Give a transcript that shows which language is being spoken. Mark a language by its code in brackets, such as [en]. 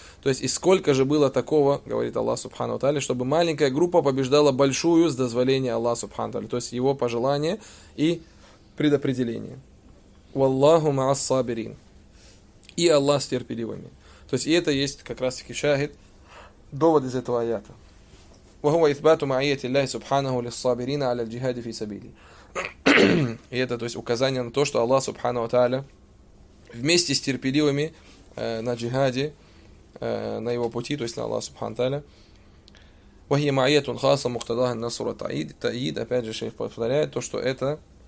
[ru] То есть, и сколько же было такого, говорит Аллах Субхану ва Тааля, чтобы маленькая группа побеждала большую с дозволения Аллаха Субхану ва Тааля, то есть его пожелание и предопределение. [ar] Валлаху маа ас-сабирин. [ru] И Аллах с терпеливыми. То есть, и это есть как раз-таки шахид, довод из этого аята. [ar] وهو إثبات معية الله سبحانه للصابرين على الجهاد في سبيله. [ru] И это, то есть, указание на то, что Аллах Субхану ва Тааля вместе с терпеливыми на джихаде, на его пути, то есть на Аллах Субхану ва Тааля. [ar] وهي معية خاصة مقتضاها النصر والتأييد. [ru] Опять же, шейх повторяет то, что это